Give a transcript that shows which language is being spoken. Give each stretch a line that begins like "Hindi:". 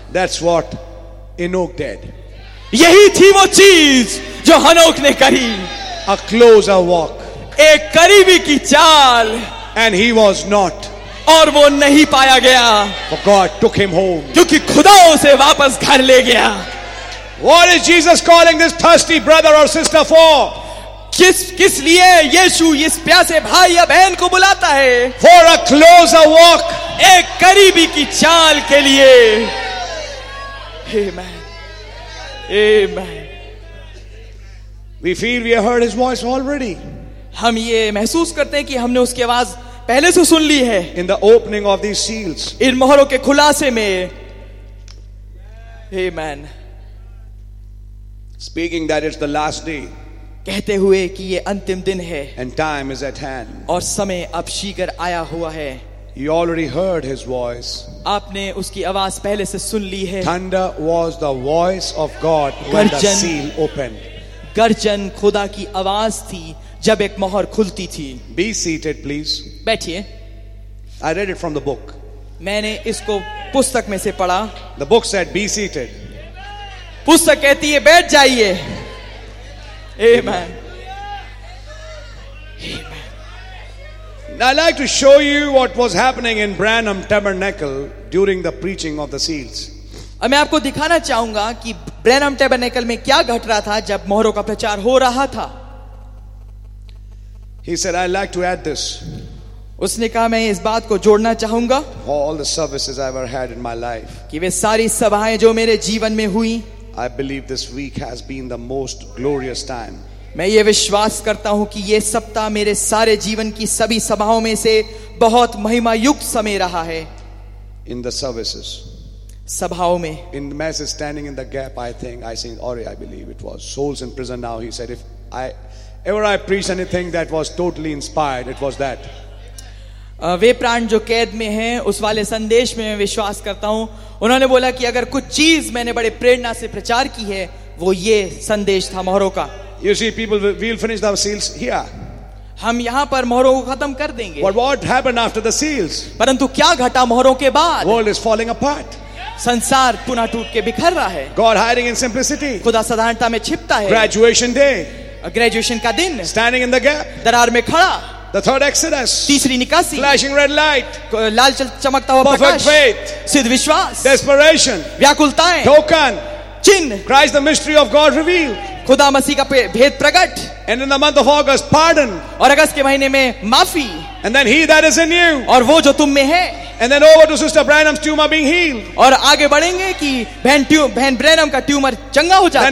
English: That's what Enoch did.
Hindi: यही थी वो चीज जो हनोक ने करी.
English: A closer walk.
Hindi: एक करीबी की चाल.
English: And he was not.
Hindi: और वो नहीं पाया गया.
English: For God took him home.
Hindi: क्योंकि खुदा उसे वापस घर ले गया.
English: What is Jesus calling this thirsty brother or sister for?
Hindi: किस लिए यीशु इस प्यासे भाई या बहन को बुलाता है?
English: For a closer walk.
Hindi: एक करीबी की चाल के लिए. Amen. Amen.
English: We feel we have heard his voice already.
Hindi: हम ये महसूस करते हैं कि हमने उसकी आवाज पहले से सुन ली है.
English: In the opening of these seals.
Hindi: इन मोहरों के खुलासे में. Amen.
English: Speaking that it's the last day.
Hindi: कहते हुए कि ये अंतिम दिन है.
English: And time is at hand.
Hindi: और समय अब शीघ्र आया हुआ है.
English: You already heard his voice.
Hindi: आपने उसकी आवाज पहले से सुन ली है.
English: Thunder was the voice of God when the seal opened.
Hindi: गर्जन खुदा की आवाज थी जब एक मोहर खुलती थी.
English: Be seated, please.
Hindi: बैठिए.
English: I read it from the book.
Hindi: मैंने इसको पुस्तक में से पढ़ा.
English: The book said, be seated.
Hindi: पुस्तक कहती है बैठ जाइए. Amen.
English: Amen. I'd like to show you what was happening in Branham Tabernacle during the preaching of the seals.
Hindi: मैं आपको दिखाना चाहूंगा कि ब्रैनम टैबरनेकल में क्या घट रहा था जब मोहरों का प्रचार हो रहा था.
English: He said, I'd like to add this.
Hindi: उसने कहा मैं इस बात को जोड़ना चाहूंगा.
English: All the services I've ever had in my life.
Hindi: कि वे सारी सभाएं जो मेरे जीवन में हुई.
English: I believe this week has been the most glorious time.
Hindi: मैं ये विश्वास करता हूं कि ये सप्ताह मेरे सारे जीवन की सभी सभाओं में से बहुत महिमा युक्त समय रहा है.
English: In the services.
Hindi: सभाओं में.
English: In the message standing in the gap, I believe it was souls in prison now. He said, if I preach anything that was totally inspired, it was that.
Hindi: वे प्राण जो कैद में हैं, उस वाले संदेश में मैं विश्वास करता हूं. उन्होंने बोला कि अगर कुछ चीज मैंने बड़े प्रेरणा से प्रचार की है वो ये संदेश था मोहरों का.
English: You see, people, we'll finish the seals here.
Hindi: हम यहां पर मोहरों को खत्म कर देंगे.
English: But what happened after the seals?
Hindi: परंतु क्या घटा मोहरों के बाद?
English: World is falling apart.
Hindi: संसार पुनः टूट के बिखर रहा है.
English: God hiding in simplicity.
Hindi: खुदा साधारणता में छिपता है.
English: Graduation day.
Hindi: ग्रेजुएशन का दिन.
English: Standing in the gap.
Hindi: दरार में खड़ा.
English: The third exodus.
Hindi: तीसरी निकासी.
English: Flashing red light.
Hindi: लाल चमकता हुआ प्रकाश.
English: Perfect faith.
Hindi: सिद्ध विश्वास.
English: Desperation.
Hindi: व्याकुलताएं.
English: Token.
Hindi: चिन्ह.
English: Christ the mystery of God revealed.
Hindi: खुदा मसीह का भेद प्रकट.
English: And in the month of August, pardon.
Hindi: और अगस्त के महीने में माफी.
English: And then he that is in you.
Hindi: और वो जो तुम में है.
English: And then over to Sister Branham's tumor being healed.
Hindi: और आगे बढ़ेंगे कि बहन ब्रैनम का ट्यूमर चंगा हो जाता है.